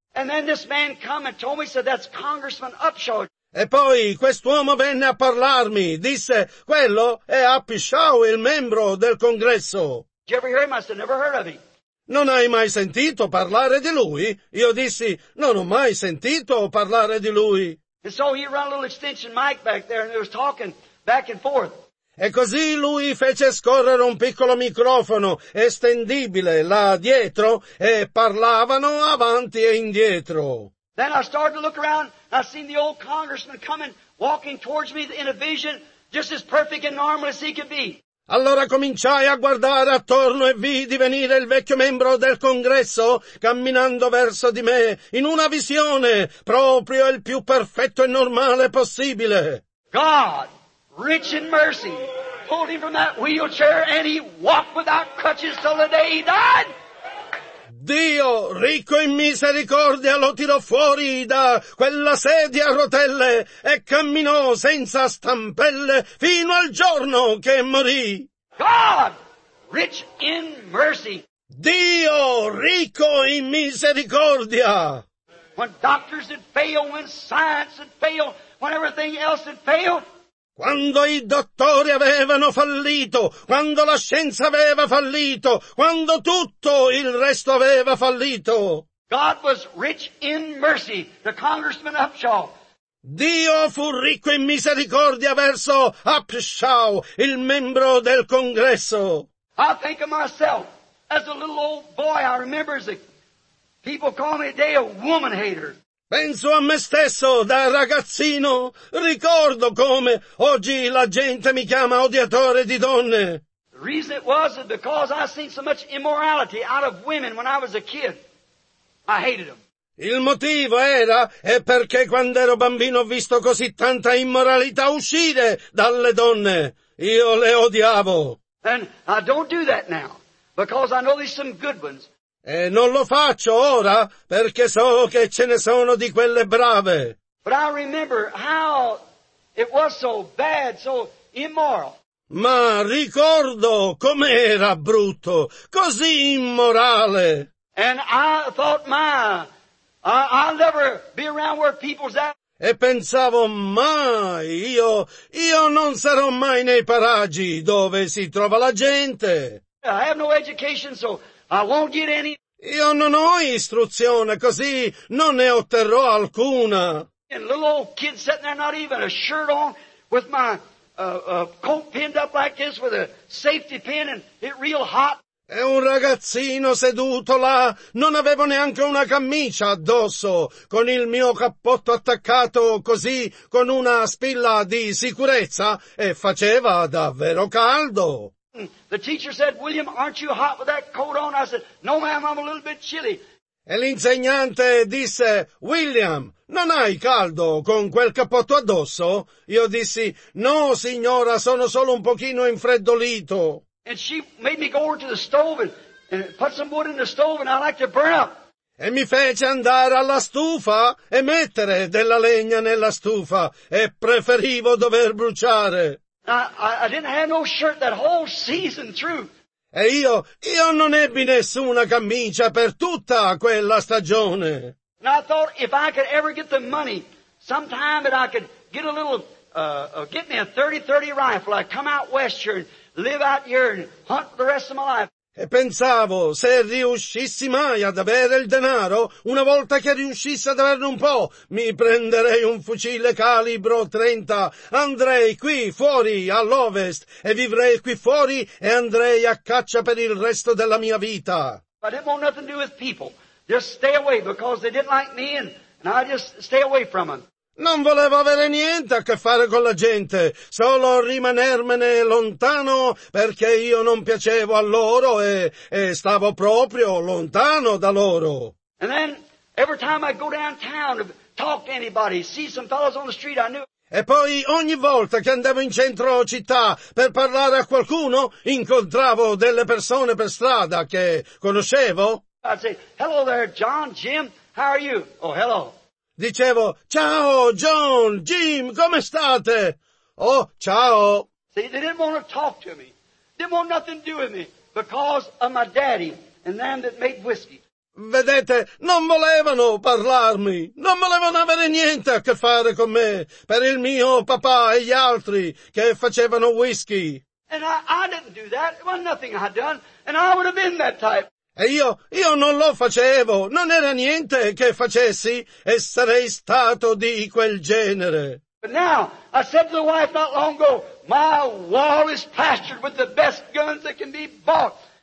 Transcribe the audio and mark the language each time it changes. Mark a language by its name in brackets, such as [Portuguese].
[English] And then this man come and told me, said, that's Congressman Upshaw. [Italian] E poi quest'uomo venne a parlarmi. Disse, quello è Upshaw, il membro del congresso. [English] Did you ever hear him? I said, never heard of him. [Italian] Non hai mai sentito parlare di lui? Io dissi, non ho mai sentito parlare di lui. [English] And so he ran a little extension mic back there and he was talking back and forth. [Italian] E così lui fece scorrere un piccolo microfono estendibile là dietro e parlavano avanti e indietro. [English] Then I started to look around and I seen the old congressman coming, walking towards me in a vision, just as perfect and normal as he could be. [Italian] Allora cominciai a guardare attorno e vidi venire il vecchio membro del congresso camminando verso di me in una visione proprio il più perfetto e normale possibile. [English] God, rich in mercy, pulled him from that wheelchair and he walked without crutches till the day he died. [Italian] Dio, ricco in misericordia, lo tirò fuori da quella sedia a rotelle e camminò senza stampelle fino al giorno che morì. [English] God, rich in mercy. [Italian] Dio, ricco in misericordia. [English] When doctors had failed, when science had failed, when everything else had failed. [Italian] Quando i dottori avevano fallito, quando la scienza aveva fallito, quando tutto il resto aveva fallito. [English] God was rich in mercy to Congressman Upshaw. [Italian] Dio fu ricco in misericordia verso Upshaw, il membro del congresso. [English] I think of myself as a little old boy. I remember that people call me today a woman hater. [Italian] Penso a me stesso da ragazzino, ricordo come oggi la gente mi chiama odiatore di donne. [English] The reason it was is because I seen so much immorality out of women when I was a kid. I hated them. [Italian] Il motivo era è perché quando ero bambino ho visto così tanta immoralità uscire dalle donne. Io le odiavo. [English] And I don't do that now because I know there's some good ones. [Italian] E non lo faccio ora, perché so che ce ne sono di quelle brave. [English] But I remember how it was so bad, so immoral. [Italian] Ma ricordo com'era brutto, così immorale. [English] And I thought, I'll never be around where people's at. [Italian] e pensavo, ma io non sarò mai nei paraggi dove si trova la gente. [English] I have no education, so I won't get any. [Italian] Io non ho istruzione, così non ne otterrò alcuna. [English] And little old kid sitting there, not even a shirt on, with my coat pinned up like this with a safety pin, and it real hot. [Italian] E un ragazzino seduto là, non avevo neanche una camicia addosso, con il mio cappotto attaccato così, con una spilla di sicurezza, e faceva davvero caldo. [English] The teacher said, William, aren't you hot with that coat on? I said, no ma'am, I'm a little bit chilly. [Italian] E l'insegnante disse, William, non hai caldo con quel cappotto addosso? Io dissi, no signora, sono solo un pochino infreddolito. [English] And she made me go over to the stove and put some wood in the stove and I like to burn up. [Italian] E mi fece andare alla stufa e mettere della legna nella stufa e preferivo dover bruciare. [English] I didn't have no shirt that whole season through. [Italian] E io non ebbi nessuna camicia per tutta quella stagione. [English] And I thought if I could ever get the money, sometime that I could get a little, get me a 30-30 rifle, I'd come out west here and live out here and hunt the rest of my life. [Italian] E pensavo, se riuscissi mai ad avere il denaro, una volta che riuscissi ad averne un po', mi prenderei un fucile calibro 30, andrei qui fuori all'ovest, e vivrei qui fuori e andrei a caccia per il resto della mia vita. [English] I didn't want nothing to do with people. Just stay away because they didn't like me and I just stay away from them. [Italian] Non volevo avere niente a che fare con la gente, solo rimanermene lontano perché io non piacevo a loro e stavo proprio lontano da loro. [English] And then every time I'd go downtown to talk to anybody, see some fellows on the street I knew. [Italian] E poi ogni volta che andavo in centro città per parlare a qualcuno, incontravo delle persone per strada che conoscevo. [English] I'd say, hello there, John, Jim, how are you? Oh, hello. [Italian] Dicevo, ciao, John, Jim, come state? Oh, ciao. [English] See, they didn't want to talk to me. They didn't want nothing to do with me because of my daddy and them that made whiskey. [Italian] Vedete, non volevano parlarmi. Non volevano avere niente a che fare con me per il mio papà e gli altri che facevano whisky. [English] And I didn't do that. It was nothing I'd done. And I would have been that type. [Italian] E io non lo facevo, non era niente che facessi e sarei stato di quel genere. [English] But now, I said to the wife not long ago, my wall is pastured with the best guns that can be bought.